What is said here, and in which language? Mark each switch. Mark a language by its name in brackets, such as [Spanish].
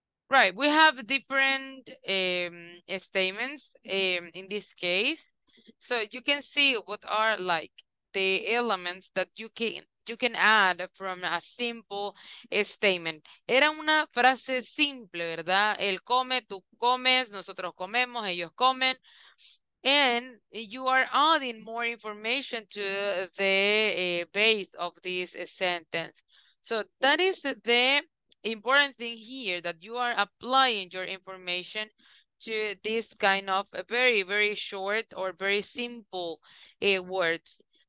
[English] Right, we have different statements in this case. So you can see what are like the elements that you can add from a simple statement. [Spanish] Era una frase simple, ¿verdad? Él come, tú comes, nosotros comemos, ellos comen. [English] And you are adding more information to the base of this sentence. So that is the important thing here, that you are applying your information to this kind of very, very short or very simple words.